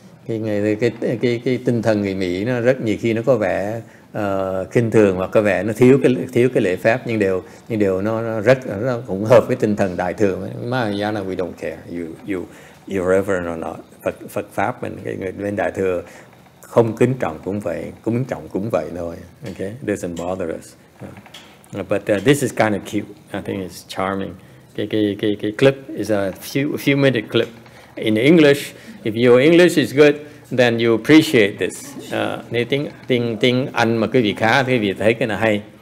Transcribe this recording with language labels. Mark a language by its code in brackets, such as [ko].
[vi] Cái tinh thần người Mỹ nó rất nhiều khi nó có vẻ khinh thường hoặc có vẻ nó thiếu cái lễ phép, nhưng đều nó cũng hợp với tinh thần đại thừa. [en] Mahayana, we don't care you irreverent or not. [vi] Phật pháp mình, cái người bên đại thừa không kính trọng cũng vậy, kính trọng cũng vậy thôi. [en] Okay, doesn't bother us. But this is kind of cute. I think it's charming. Cái clip is a few minute clip in English. If your English is good, then you appreciate this. [vi] Nếu tiếng Anh mà quý vị khá thì quý vị thấy cái này hay.